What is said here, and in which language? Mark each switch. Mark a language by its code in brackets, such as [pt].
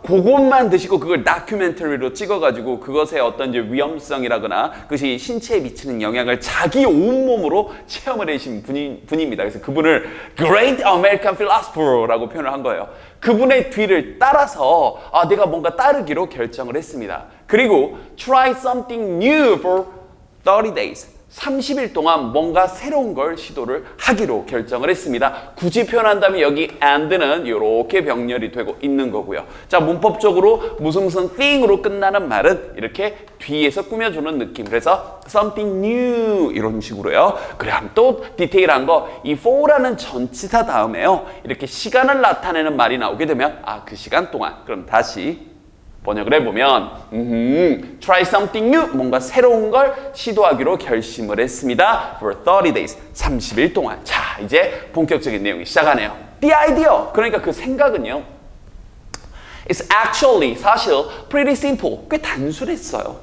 [ko] 그것만 드시고 그걸 다큐멘터리로 찍어가지고 그것의 어떤 이제 위험성이라거나 그것이 신체에 미치는 영향을 자기 온몸으로 체험을 해주신 분입니다. 그래서 그분을 [en] Great American Philosopher [ko] 라고 표현을 한 거예요. 그분의 뒤를 따라서 아, 내가 뭔가 따르기로 결정을 했습니다. 그리고 [en] Try something new for 30 days. [ko] 30일 동안 뭔가 새로운 걸 시도를 하기로 결정을 했습니다. 굳이 표현한다면 여기 and는 이렇게 병렬이 되고 있는 거고요. 자, 문법적으로 무슨 무슨 thing으로 끝나는 말은 이렇게 뒤에서 꾸며주는 느낌. 그래서 [en] something new [ko] 이런 식으로요. 그래, 또 디테일한 거 이 for라는 전치사 다음에요. 이렇게 시간을 나타내는 말이 나오게 되면 아, 그 시간 동안 그럼 다시 번역을 해보면 [en] try something new, [ko] 뭔가 새로운 걸 시도하기로 결심을 했습니다. [en] For 30 days, [ko] 30일 동안. 자, 이제 본격적인 내용이 시작하네요. [en] The idea, [ko] 그러니까 그 생각은요. [en] It's actually, [ko] 사실, [en] pretty simple, [ko] 꽤 단순했어요.